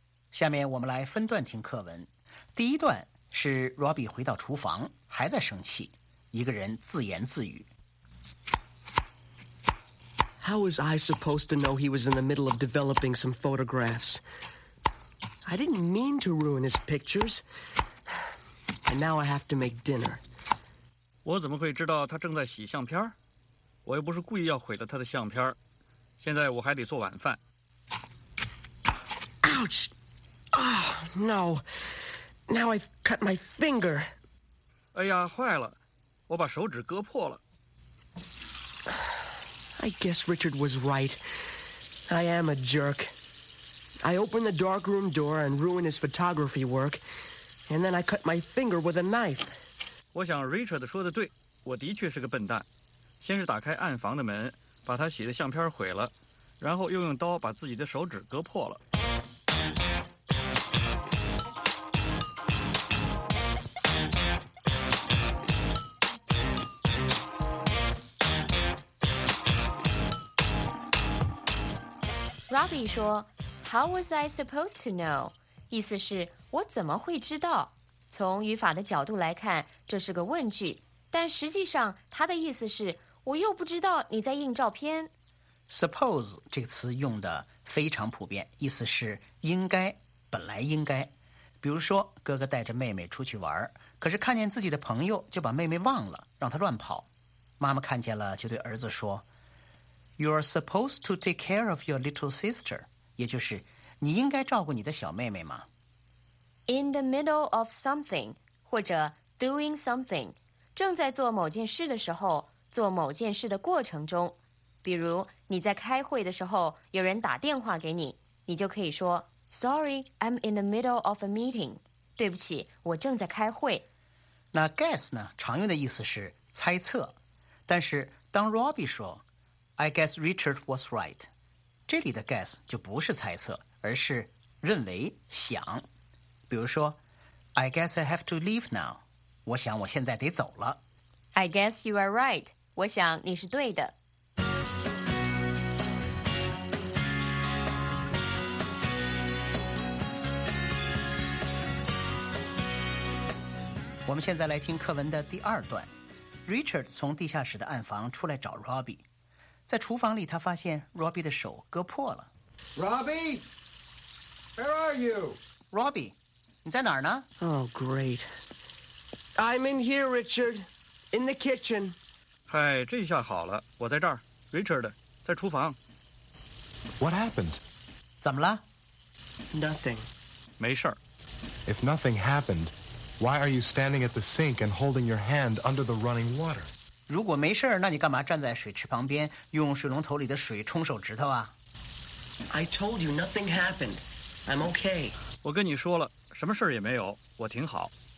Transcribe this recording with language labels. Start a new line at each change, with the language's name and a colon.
Chinese: 下面我们来分段听课文。第一段是 Robbie 回到厨房还在生气，一个人自言自语。
English: How was I supposed to know he was in the middle of developing some photographs? I didn't mean to ruin his pictures. And now I have to make dinner.
Chinese: 我怎么会知道他正在洗相片？我又不是故意要毁了他的相片。现在我还得做晚饭。
English: Ouch! Oh, no. Now I've cut my finger.
Chinese: 哎呀，坏了，我把手指割破了。
English: I guess Richard was right. I am a jerk. I opened the darkroom door and ruined his photography work, and then I cut my finger with a knife.
Chinese: 我想 Richard 说的对，我的确是个笨蛋。先是打开暗房的门，把他洗的相片毁了，然后又用刀把自己的手指割破了。
English: Robbie 说 How was I supposed to know?
Chinese: 意思是我怎么会知道从语法的角度来看这是个问句但实际上他的意思是我又不知道你在印照片 Suppose 这个词用的非常普遍意思是应该本来应该比如说哥哥带着妹妹出去玩可是看见自己的朋友就把妹妹忘了让她乱跑妈妈看见了就对儿子说
English: You're supposed to take care of your little sister.
Chinese: 也就是你应该照顾你的小妹妹吗
English: In the middle of something,
Chinese: 或者
English: doing something,
Chinese: 正在做某件事的时候做某件事的过程中。比如你在开会的时候有人打电话给你你就可以说
English: Sorry, I'm in the middle of a meeting.
Chinese: 对不起我正在开会。那 guess 呢常用的意思是猜测。但是当
English: Robbie
Chinese: 说
English: I guess Richard was right.
Chinese: 这里的 guess 就不是猜测而是认为想。比如说
English: I guess I have to leave now.
Chinese: 我想我现在得走了。
English: I guess you are right.
Chinese: 我想你是对的。我们现在来听课文的第二段。Richard 从地下室的暗房出来找 Robbie。在厨房里他发现 Robbie 的手割破了
English: Robbie Where are you?
Chinese: Robbie 你在哪儿呢
English: Oh great I'm in here Richard In the kitchen
Chinese: 嗨这下好了我在这儿 Richard 在厨房
English: What happened?
Chinese: 怎么了
English: Nothing
Chinese: 没事
English: If nothing happened Why are you standing at the sink And holding your hand under the running water?
Chinese: 如果没事儿，那你干嘛站在水池旁边，用水龙头里的水冲手指头啊
English: ？I told you nothing happened. I'm okay.
Chinese: 我跟你说了，什么事儿也没有，我挺好。